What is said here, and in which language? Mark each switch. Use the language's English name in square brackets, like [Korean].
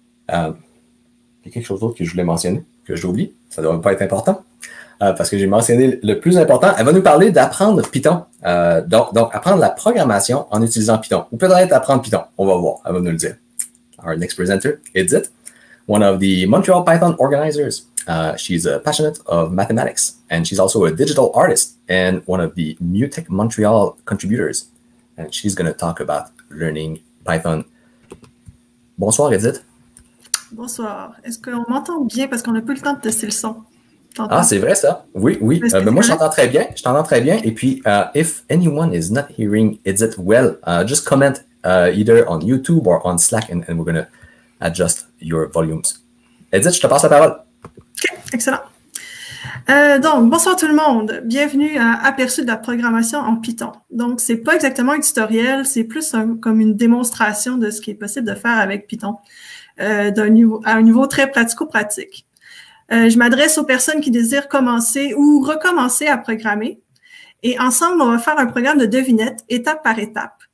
[French] Il y a quelque chose d'autre que je voulais mentionner, que j'ai oublié, ça ne devrait pas être important, parce que j'ai mentionné le plus important. Elle va nous parler d'apprendre Python, donc apprendre la programmation en utilisant Python, ou peut-être apprendre Python, on va voir, elle va nous le dire. [English] Our next presenter, Edith. One of the Montreal Python organizers. She's a passionate of mathematics, and she's also a digital artist and one of the MUTEC Montreal contributors. And she's going to talk about learning Python. [French] Bonsoir, Edith. Bonsoir. Est-ce qu'on m'entend bien? Parce qu'on n'a plus le temps de tester le son. T'entends? Ah, c'est vrai ça. Oui, oui. Mais moi, je t'entends très bien. Et puis, [English] if anyone is not hearing Edith well, just comment either on YouTube or on Slack, and we're going to adjust your volumes. [French] Edith, je te passe la parole. OK, excellent. Donc, bonsoir tout le monde. Bienvenue à Aperçu de la programmation en Python. Donc, ce n'est pas exactement un tutoriel, c'est plus comme une démonstration de ce qui est possible de faire avec Python à un niveau très pratico-pratique. Je m'adresse aux personnes qui désirent commencer ou recommencer à programmer. Et ensemble, on va faire un programme de devinettes étape par étape.